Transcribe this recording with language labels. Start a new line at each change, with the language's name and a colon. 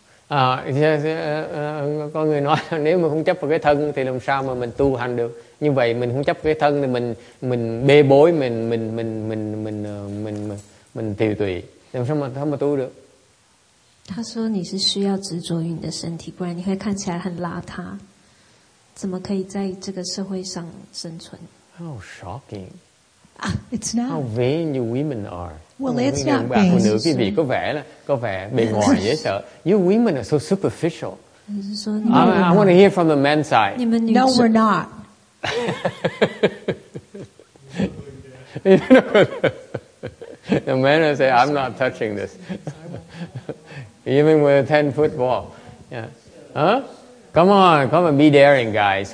Vietnamese: Con người nói là nếu mà không chấp vào cái thân thì làm sao mà mình tu hành được. Như vậy mình không chấp cái thân thì mình bê bối, mình tiêu tụy, làm sao mà không mà tu được.
Chinese: 他说你是需要执着于你的身体，不然你会看起来很邋遢， 怎么可以在这个社会上生存？
English: How shocking. It's not. How vain you women are. Well, it's not vain.
Vietnamese: Phụ nữ quý vị có vẻ bề ngoài dễ sợ.
English: You women are so superficial. I want to hear from the men's side. No, we're not. The men will say, I'm not touching this. Even with a 10-foot wall. Yeah. Huh? Come on, be daring, guys.